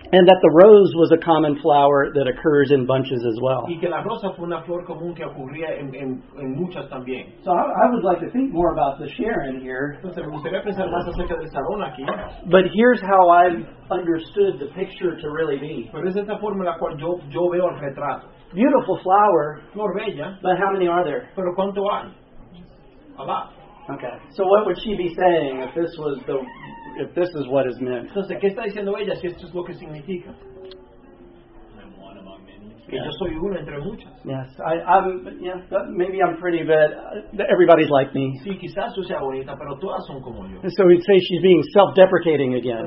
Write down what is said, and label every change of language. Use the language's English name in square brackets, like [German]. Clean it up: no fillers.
[English] And that the rose was a common flower that occurs in bunches as well. So I would like to think more about the Sharon here. [Spanish] Entonces, me gustaría pensar más acerca del Sharon aquí. [English] But here's how I've understood the picture to really be. [Spanish] Pero es esta forma en la cual yo veo el retrato. [English] Beautiful flower. [Spanish] Flor bella. [English] But how many are there? [Spanish] Pero ¿cuánto hay? [English] A lot. Okay, so what would she be saying if this was the, if this is what is meant? [Spanish] Entonces, ¿qué está diciendo ella si esto es lo que significa? [English] I'm one among many. [Spanish] Yes. Y yo soy uno entre muchas. [English] Yes, maybe I'm pretty, but everybody's like me. [Spanish] Sí, quizás tú seas bonita, pero todas son como yo. [English] And so we'd say she's being self-deprecating again.